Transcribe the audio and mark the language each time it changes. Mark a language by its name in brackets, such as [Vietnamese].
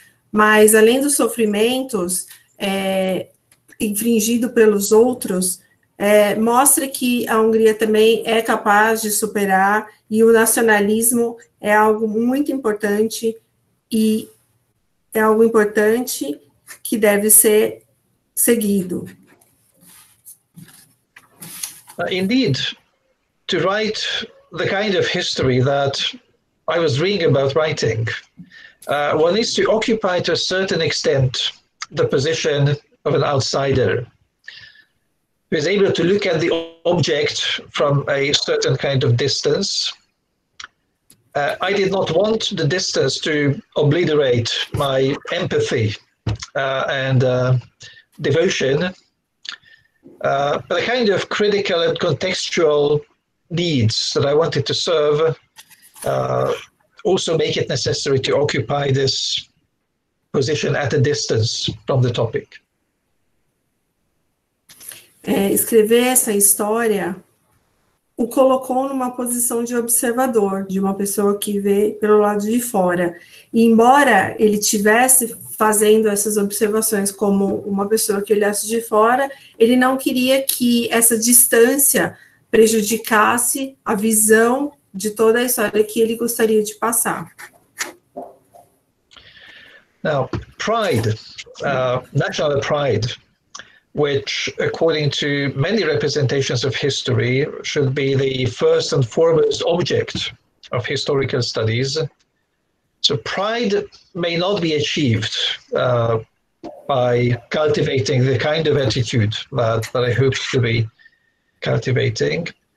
[Portuguese] Mas, além dos sofrimentos infringido pelos outros, mostra que a Hungria também é capaz de superar, e o nacionalismo é algo muito importante, e é algo importante que deve ser seguido. [English] Indeed, to write the kind of history that I was reading about writing, one needs to occupy to a certain extent the position of an outsider who is able to look at the object from a certain kind of distance. I did not want the distance to obliterate my empathy devotion, but the kind of critical and contextual needs that I wanted to serve also make it necessary to occupy this position at a distance from the topic. [Portuguese] Escrever essa história o colocou numa posição de observador, de uma pessoa que vê pelo lado de fora. E embora ele tivesse fazendo essas observações como uma pessoa que olhasse de fora, ele não queria que essa distância prejudicasse a visão de toda a história que ele gostaria de passar. [English] Now, pride, national pride, which, according to many representations of history, should be the first and foremost object of historical studies. So pride may not be achieved by cultivating the kind of attitude that I hope to be cultivating.